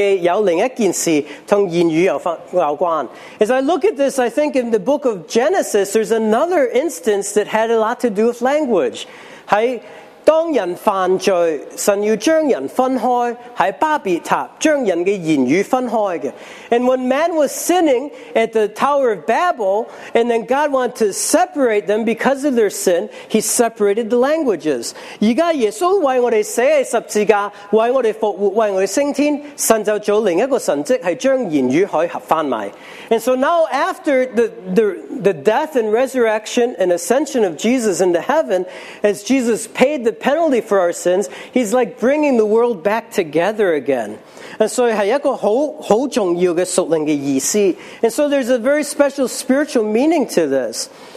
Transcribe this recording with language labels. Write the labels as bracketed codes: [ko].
[zh] 我看到这件事的时候,我会想起在创世纪有另一件事,跟言语有关. [en] As I look at this, I think in the book of Genesis, there's another instance that had a lot to do with language. [zh] 当人犯罪,神要将人分开,在巴别塔,将人的言语分开的. [en] And when man was sinning at the Tower of Babel, and then God wanted to separate them because of their sin, he separated the languages. [zh] 现在耶稣为我们写十字架,为我们复活,为我们升天, 神就做另一个神迹,是将言语可以合翻埋. [en] And so now after the death and resurrection and ascension of Jesus into heaven, as Jesus paid the penalty for our sins, he's like bringing the world back together again. And so [zh] 是一个很重要的属灵的意思. [en] And so there's a very special spiritual meaning to this.